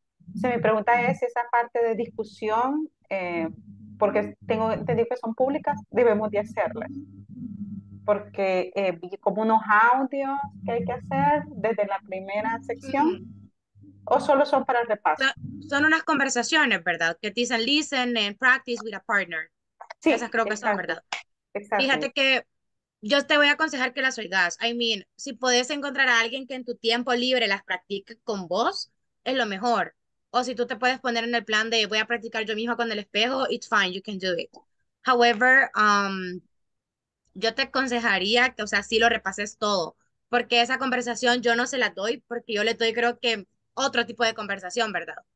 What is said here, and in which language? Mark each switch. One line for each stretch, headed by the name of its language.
Spanish: Entonces, mi pregunta es, esa parte de discusión, porque tengo entendido que son públicas, debemos de hacerlas. Porque vi como unos audios que hay que hacer desde la primera sección, mm-hmm. ¿O solo son para el repaso? Son unas conversaciones, ¿verdad? Que dicen
English: listen and practice with a partner.
Spanish: Sí, esas creo que exacto. Son, ¿verdad? Exacto. Fíjate que yo te voy a aconsejar que las oigas.
English: I mean,
Spanish: si puedes encontrar a alguien que en tu tiempo libre las practique con vos, es lo mejor. O si tú te puedes poner en el plan de voy a practicar yo misma con el espejo,
English: it's fine, you can do it.
Spanish: However, yo te aconsejaría que, o sea, sí lo repases todo, porque esa conversación yo no se la doy, porque yo le doy creo que otro tipo de conversación, ¿verdad?